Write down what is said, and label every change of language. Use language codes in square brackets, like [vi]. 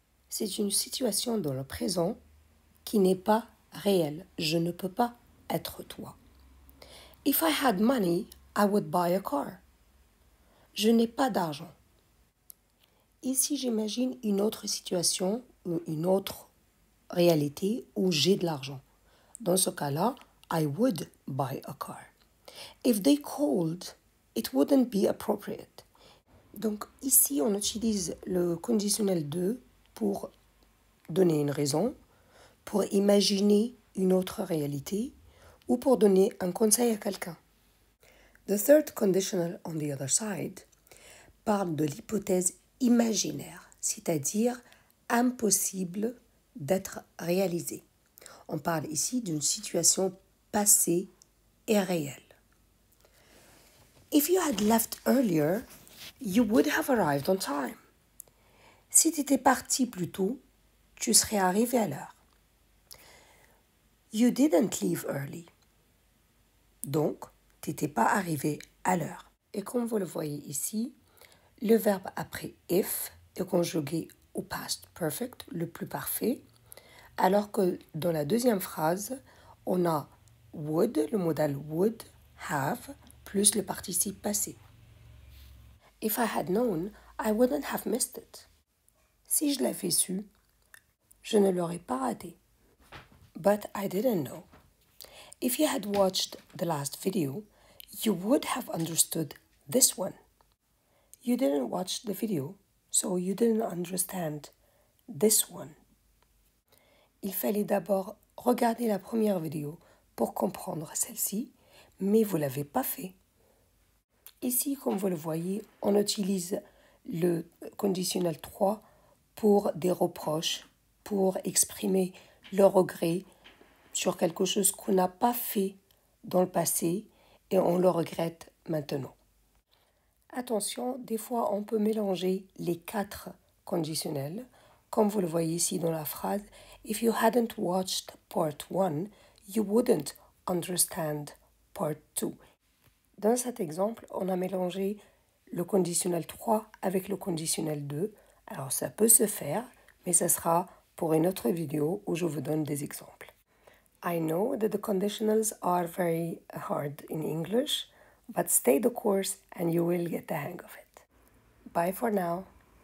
[fr] C'est une situation dans le présent qui n'est pas réelle. Je ne peux pas être toi. [en] If I had money, I would buy a car. [fr] Je n'ai pas d'argent. Ici, j'imagine une autre situation ou une autre réalité où j'ai de l'argent. Dans ce cas-là, [en] I would buy a car. If they called, it wouldn't be appropriate. [fr] Donc ici, on utilise le conditionnel 2 pour donner une raison, pour imaginer une autre réalité, ou pour donner un conseil à quelqu'un. [en] The third conditional on the other side [fr] parle de l'hypothèse imaginaire, c'est-à-dire impossible d'être réalisé. On parle ici d'une situation passée et réelle. [en] If you had left earlier, you would have arrived on time. [fr] Si tu étais parti plus tôt, tu serais arrivé à l'heure. [en] You didn't leave early. [fr] Donc, tu n'étais pas arrivé à l'heure. Et comme vous le voyez ici, le verbe après « if » est conjugué au past perfect, le plus parfait, alors que dans la deuxième phrase, on a « would », le modal « would have » plus le participe passé. [en] If I had known, I wouldn't have missed it. [fr] Si je l'avais su, je ne l'aurais pas raté. [en] But I didn't know. If you had watched the last video, you would have understood this one. You didn't watch the video, so you didn't understand this one. [fr] Il fallait d'abord regarder la première vidéo pour comprendre celle-ci, mais vous ne l'avez pas fait. Ici, comme vous le voyez, on utilise le conditionnel 3 pour des reproches, pour exprimer le regret sur quelque chose qu'on n'a pas fait dans le passé et on le regrette maintenant. Attention, des fois on peut mélanger les quatre conditionnels, comme vous le voyez ici dans la phrase « [en] If you hadn't watched part 1, you wouldn't understand part 2 ». [fr] Dans cet exemple, on a mélangé le conditionnel 3 avec le conditionnel 2. Alors, ça peut se faire, mais ça sera pour une autre vidéo où je vous donne des exemples. [en] I know that the conditionals are very hard in English, but stay the course and you will get the hang of it. Bye for now.